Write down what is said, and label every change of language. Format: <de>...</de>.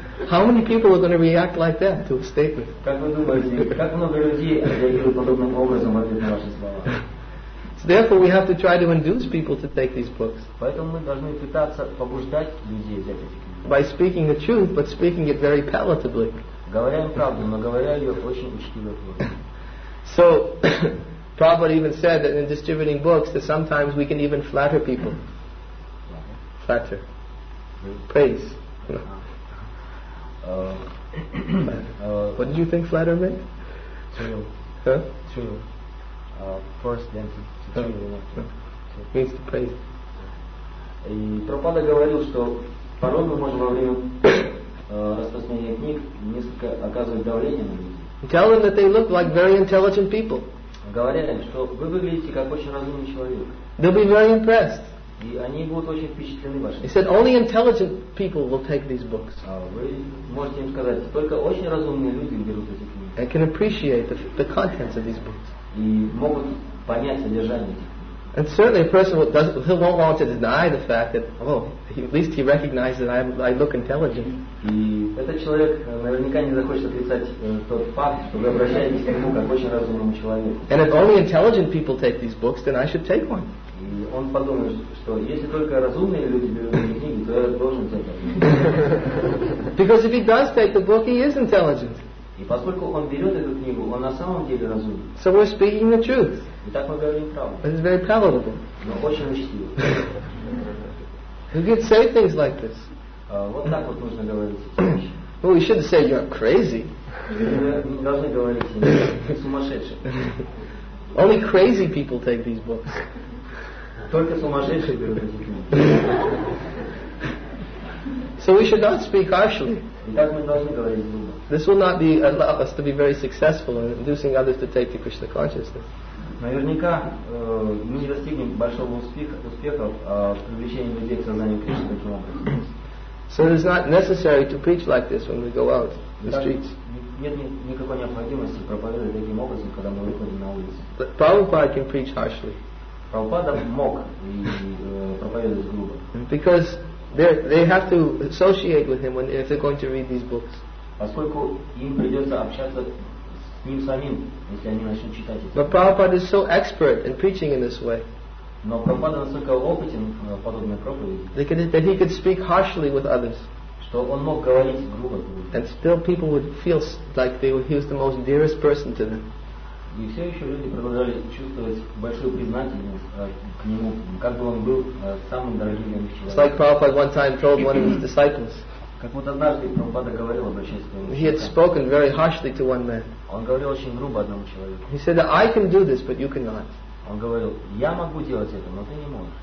<en>How many people are going to react like that to a statement? Therefore, we have to try to induce people to take these books.</en> <ru>Поэтому мы должны пытаться побуждать людей взять эти книги.</ru> <en>By speaking the truth, but speaking it very palatably.</en> <ru>Говоря им правду, но говоря ее очень учтиво.</ru> <en>So, Prabhupada even said that in distributing books, that sometimes we can even flatter people. Flatter. Praise. What did you think flatter meant? True. First, then. Means to praise.</en> <ru>И Прабхупада говорил, что порой мы можем во время распространения книг несколько оказывать давление на людей.</ru> <en>Tell them that they look like very intelligent people.</en> <ru>Говоря им, что вы выглядите как очень разумный человек.</ru> <en>They'll be very impressed.</en> <ru>И они будут очень впечатлены вашим.</ru> <en>He said, only intelligent people will take these books.</en> <ru>Вы можете им сказать, только очень разумные люди берут эти книги.</ru> <en>And can appreciate the contents of these books.</en> <ru>И могут понять содержание.</ru> <en>And certainly a person he won't want to deny the fact that at least he recognizes that I look intelligent.</en> <ru>И этот человек наверняка не захочет отрицать тот факт, что вы обращаетесь к нему как очень разумному человеку.</ru> <en>And if only intelligent people take these books, then I should take one.</en> <ru>И он подумает, что если только разумные люди берут эти книги, то я должен взять одну.</ru> <en>Because if he does take the book, he is intelligent.</en> <ru>И поскольку он берет эту книгу, он на самом деле разумен.</ru> <en>So we're speaking the truth.</en> <ru>Итак, мы говорим правду.</ru> <en>But it's very palatable.</en> <ru>Но очень учтиво.</ru> <en>Who could say things like this?</en> <ru>Вот так вот нужно говорить эти вещи.</ru> <en>Well, we should say you're crazy.</en> <ru>Мы не должны говорить, что ты сумасшедший.</ru> <en>Only crazy people take these books.</en> <ru>Только сумасшедшие берут эти книги.</ru> <en>So we should not speak harshly.</en> <ru>Итак, мы должны говорить грубо.</ru> <en>This will not be allow us to be very successful in inducing others to take the Krishna consciousness.</en> <ru>Наверняка мы не достигнем большого успеха в привлечении людей к сознанию Кришны таким образом.</ru> <en>So it is not necessary to preach like this when we go out in the streets.</en> <ru>Нет никакой необходимости проповедовать таким образом, когда мы выходим на улицу.</ru> <en>But Prabhupada can preach harshly.</en> <ru>Прабхупада мог и проповедовать грубо.</ru> <en>Because they have to associate with him when if they're going to read these books.</en> <ru>Поскольку им придется общаться с ним самим, если они начнут читать эти.</ru> <en>But Prabhupada is so expert in preaching in this way.</en> <ru>Но Прабхупада настолько опытен в подобной проповеди.</ru> <en>That he could speak harshly with others.</en> <ru>Что он мог говорить грубо с другими.</ru> <en>And still people would feel like he was the most dearest person to them.</en> <ru>И все еще люди продолжали чувствовать большую признательность к нему, как бы он был самым дорогим им человеком.</ru> <en>It's like Prabhupada one time told one of his disciples.</en> <ru>Как вот однажды Прабхупада говорил об общественном.</ru> <en>He had spoken very harshly to one man.</en> <ru>Он говорил очень грубо одному человеку.</ru> <en>He said, I can do this, but you cannot.</en> <ru>Он говорил, я могу делать это, но ты не можешь.</ru>